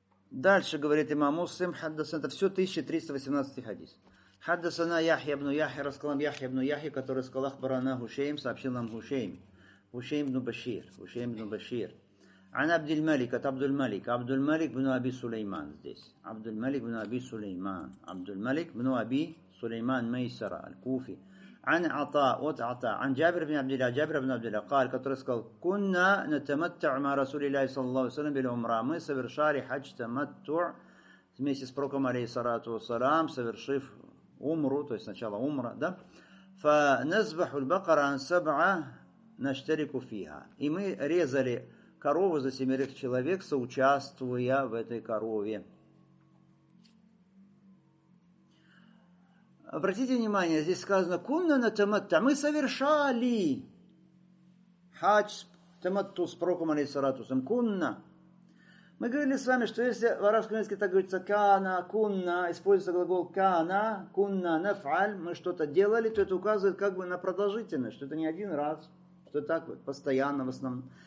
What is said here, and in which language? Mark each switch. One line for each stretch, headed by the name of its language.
Russian: Дальше говорит имам Муслим, хаддасана, это все 1318 хадис. Хаддасана Яхья ибн Яхья, рассказал нам Яхья ибн Яхья, который сказал Ахбарана Гушейм, сообщил нам Гушейм. Гушейм ибн Башир.
Arabic: عن عبد الملك عبد الملك عبد الملك بن أبي سليمان здесь عبد الملك بن أبي سليمان عبد الملك بن أبي سليمان ميسرة الكوفي عن عطاء وعطاء عن جابر بن عبد الله جابر بن عبد الله قال كترسكال كنا نتمتع مع رسول الله صلى الله عليه وسلم بالعمرة
Russian: мы совершали хадж
Arabic: تمتع
Russian: вместе с пророком алейхиссалату вассалам совершив умру то есть сначала умра да
Arabic: فنذبح البقرة سبعة نشترك فيها
Russian: и мы резали корову за семерых человек, соучаствуя в этой корове. Обратите внимание, здесь сказано «кунна на таматта». Мы совершали хадж таматту с пророком алейхиссалатусом. «Кунна». Мы говорили с вами, что если в арабском языке так говорится «кана», «кунна», используется глагол «кана», «кунна», «нафаль», мы что-то делали, то это указывает как бы на продолжительность, что это не один раз, что так вот, постоянно в основном.